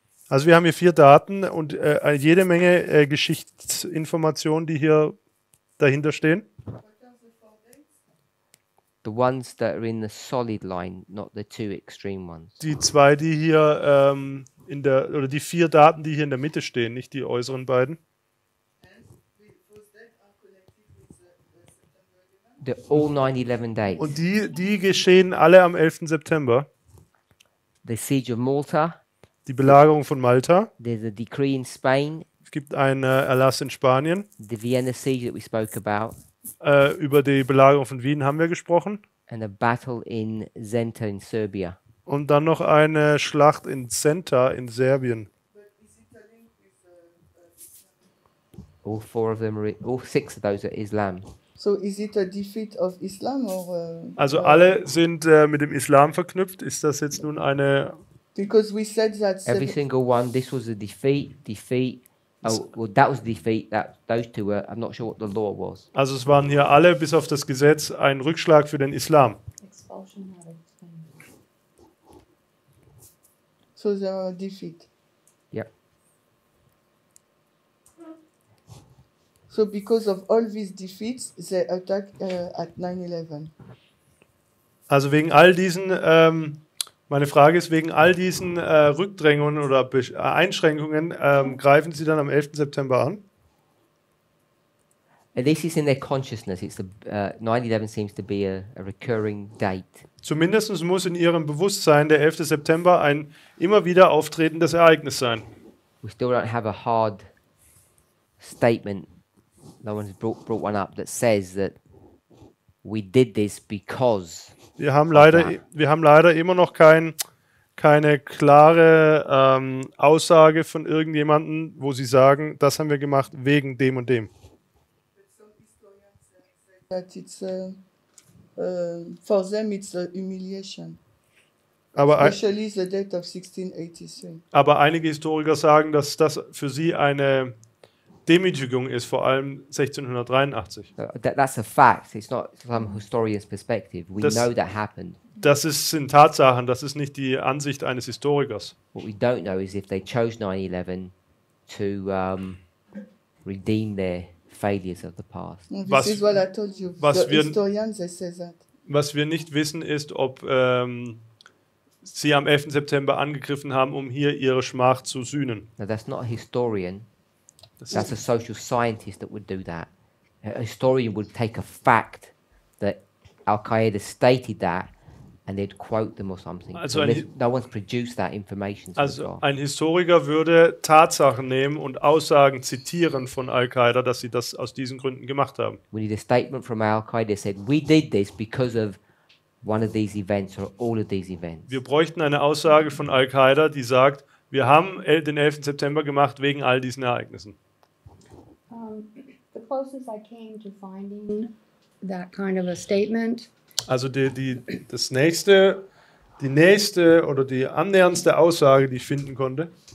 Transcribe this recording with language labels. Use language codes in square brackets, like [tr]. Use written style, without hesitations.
[de] Also wir haben hier vier Daten und jede Menge Geschichtsinformationen, die hier dahinter stehen. [en] The ones that are in the solid line, not the two extreme ones. [de] Die zwei, die hier in der, oder die vier Daten, die hier in der Mitte stehen, nicht die äußeren beiden. [en] The all 9/11 dates. [de] Und die geschehen alle am 11. September. [en] The siege of Malta. [de] Die Belagerung von Malta. [en] There's a decree in Spain. [de] Es gibt einen Erlass in Spanien. [en] The Vienna siege that we spoke about. [de] Über die Belagerung von Wien haben wir gesprochen. [en] And a battle in Zenta in Serbia. [de] Und dann noch eine Schlacht in Zenta in Serbien. [en] All four of them are all six of those are Islam. So is it a defeat of Islam or [de] also alle sind mit dem Islam verknüpft, ist das jetzt nun eine [en] because we said that every single one this was a defeat oh well that was defeat that those two were I'm not sure what the law was. [de] Also es waren hier alle bis auf das Gesetz ein Rückschlag für den Islam. [en] So they are a defeat. So because of all these defeats, they attack at 9/11. [de] Also wegen all diesen, meine Frage ist, wegen all diesen Rückdrängungen oder Einschränkungen, greifen sie dann am 11. September an? [en] This is in their consciousness. It's the 9/11 seems to be a recurring date. [de] Zumindest muss in ihrem Bewusstsein der 11. September ein immer wieder auftretendes Ereignis sein. [en] We still don't have a hard statement. No one's brought one up that says that we did this because. [de] Wir haben leider immer noch keine klare Aussage von irgendjemanden, wo sie sagen, das haben wir gemacht wegen dem und dem. [en] That it's for them it's a humiliation. [de] Aber [en] especially the date of 1683. [de] Aber einige Historiker sagen, dass das für sie eine Demütigung ist, vor allem 1683. [en] That's a fact. It's not some historian's perspective. We know that happened. [de] Das sind Tatsachen. Das ist nicht die Ansicht eines Historikers. [en] What we don't know is if they chose 9/11 to redeem their failures of the past. This is what I told you. Historians, they say that. [de] Was wir nicht wissen, ist, ob sie am 11. September angegriffen haben, um hier ihre Schmach zu sühnen. [en] Now, that's not a historian. That's a social scientist that would do that. A historian would take a fact that Al-Qaeda stated that and they'd quote them or something. [de] Also [en] no one's produced that information. [de] Also ein Historiker würde Tatsachen nehmen und Aussagen zitieren von Al-Qaeda, dass sie das aus diesen Gründen gemacht haben. [en] We need a statement from Al-Qaeda said, we did this because of one of these events or all of these events. [de] Wir bräuchten eine Aussage von Al-Qaeda, die sagt, wir haben den 11. September gemacht wegen all diesen Ereignissen. [en] The closest I came to finding that kind of a statement. [de] Also die nächste oder die annäherndste Aussage, die ich finden konnte,